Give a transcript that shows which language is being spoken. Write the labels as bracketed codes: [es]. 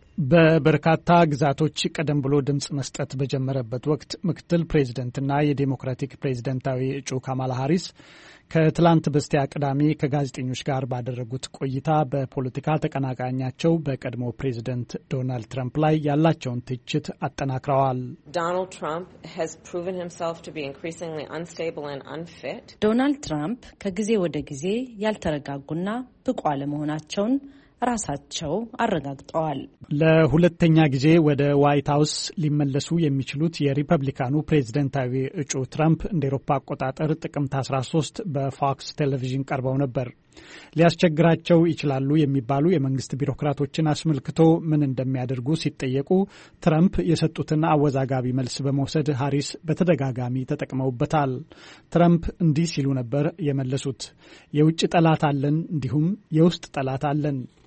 [am] በበርካታ ግዛቶች ቀደም ብሎ ድምጽ መስጠት በጀመረበት ወቅት ምክትል ፕሬዝደንትና የዴሞክራቲክ ፕሬዝደንታዊ እጩ ካማላ ሃሪስ ከትላንት በስቲያ ቅዳሜ ከጋዜጠኞች ጋር ባደረጉት ቆይታ በፖለቲካ ተቀናቃኛቸው በቀድሞ ፕሬዝደንት ዶናልድ ትራምፕ ላይ ያላቸውን ትችት አጠናክረዋል። [en] ዶናልድ ትራምፕ has proven himself to be increasingly unstable and unfit. [am] ዶናልድ ትራምፕ ከጊዜ ወደ ጊዜ ያልተረጋጉና ብቁ አለመሆናቸውን ራሳቸው አረጋግጠዋል። ለሁለተኛ ጊዜ ወደ ዋይት ሃውስ ሊመለሱ የሚችሉት የሪፐብሊካኑ ፕሬዝደንታዊ እጩ ትራምፕ እንደ አውሮፓ አቆጣጠር ጥቅምት 13 በፎክስ ቴሌቪዥን ቀርበው ነበር። ሊያስቸግራቸው ይችላሉ የሚባሉ የመንግስት ቢሮክራቶችን አስመልክቶ ምን እንደሚያደርጉ ሲጠየቁ ትራምፕ የሰጡትን አወዛጋቢ መልስ በመውሰድ ሃሪስ በተደጋጋሚ ተጠቅመውበታል። ትራምፕ እንዲህ ሲሉ ነበር የመለሱት፣ የውጭ ጠላት አለን እንዲሁም የውስጥ ጠላት አለን።